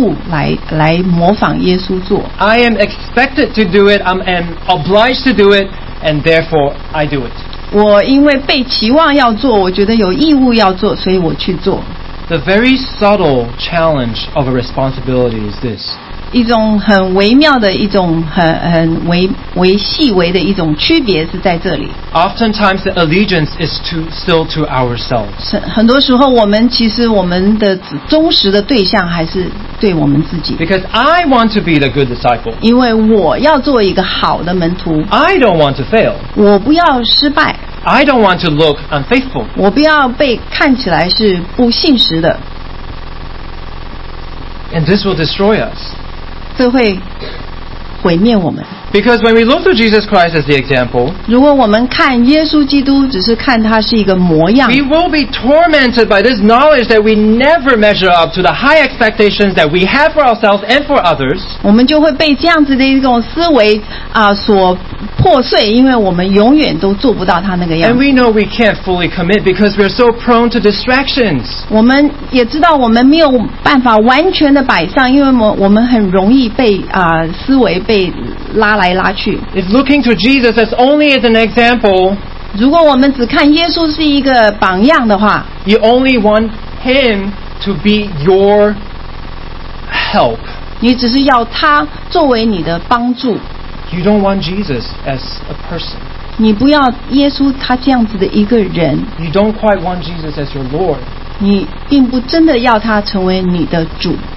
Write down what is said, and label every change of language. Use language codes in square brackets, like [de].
[zh] 这些就变成这些举动，就变成我们基于一种期望或义务来模仿耶稣做。 [en] I am expected to do it. I'm obliged to do it, and therefore I do it. [zh] 我因为被期望要做，我觉得有义务要做，所以我去做。 [en] The very subtle challenge of a responsibility is this. [zh] 一种很微妙的一种很微细微的一种区别是在这里。 [en] Oftentimes the allegiance is still to ourselves. [zh] 很多时候我们其实我们的忠实的对象还是对我们自己。 [en] Because I want to be the good disciple. [zh] 因为我要做一个好的门徒。 [en] I don't want to fail. [zh] 我不要失败。 [en] I don't want to look unfaithful. [zh] 我不要被看起来是不信实的。 [en] And this will destroy us. [zh] 这会毁灭我们。 [en] Because when we look to Jesus Christ as the example, [zh] 如果我们看耶稣基督只是看他是一个模样, [en] we will be tormented by this knowledge that we never measure up to the high expectations that we have for ourselves and for others. [zh] 我们就会被这样子的一种思维所破碎, 因为我们永远都做不到他那个样子。 [en] And we know we can't fully commit because we're so prone to distractions. [zh] 我们也知道我们没有办法完全的摆上, 因为我们很容易被, 思维被拉 [en] If looking to Jesus as only as an example, [zh] 如果我们只看耶稣是一个榜样的话, [en] you only want him to be your help. [zh] 你只是要他作为你的帮助, [en] you don't want Jesus as a person. [zh] 你不要耶稣他这样子的一个人, [en] you don't quite want Jesus as your Lord. [zh] 你并不真的要他成为你的主。